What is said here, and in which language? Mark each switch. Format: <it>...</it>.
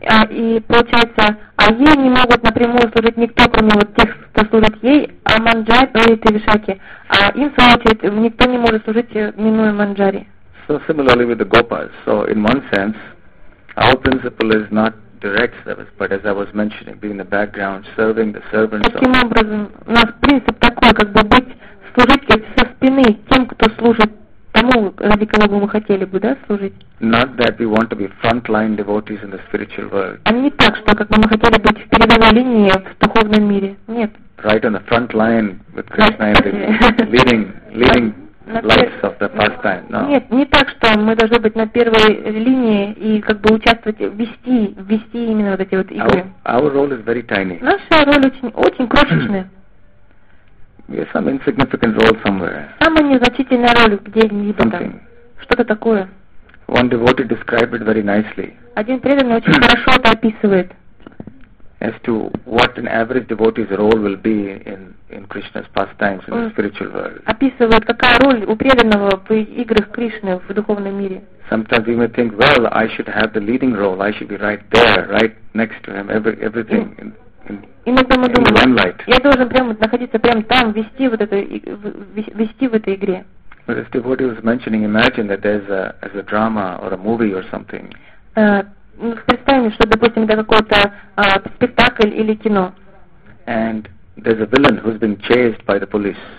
<ru>И получается, а ей не могут напрямую служить никто, кроме вот тех, кто служит ей, а Манджари, то есть Вишаки. А им, в свою очередь, никто не может служить, минуя Манджари.</ru> <en>So similarly with the Gopas. So in one sense, our principle is not direct service, but as I was mentioning, being in the background, serving the servants.</en> <ru>Таким образом, у нас принцип такой, как бы быть, служить со спины тем, кто служит. Тому, ради кого бы мы хотели бы, да, служить?</ru> <en>Not that we want to be front-line devotees in the spiritual world.</en> <ru>А не так, что как бы мы хотели быть в передовой линии в духовном мире. Нет.</ru> <en>Right on the front line with Krishna in the leading lights of the pastime. No.</en> <ru>Нет, не так, что мы должны быть на первой линии и как бы участвовать, вести именно вот эти вот игры.</ru> <en>Our role is very tiny.</en> <ru>Наша роль очень крошечная.</ru> <en>Yes, some insignificant role somewhere.</en> <ru>Самая незначительная роль где-либо там. Что-то такое.</ru> <en>One devotee described it very nicely.</en> <ru>Один преданный очень хорошо это описывает.</ru> <en>As to what an average devotee's role will be in Krishna's pastimes in the spiritual world.</en> <ru>Описывает, какая роль у преданного в играх Кришны в духовном мире.</ru> <en>Sometimes we may think, well, I should have the leading role. I should be right there, right next to him, everything.</en> <ru>Иногда мы думаем, я должен прямо находиться прямо там, вести в этой игре.</ru> <en>But as devotee was mentioning, imagine that there's as a drama or a movie or something.</en> <ru>Представим, что, допустим, это какой-то спектакль или кино.</ru> <en>and there's a villain who's been chased by the police.</en>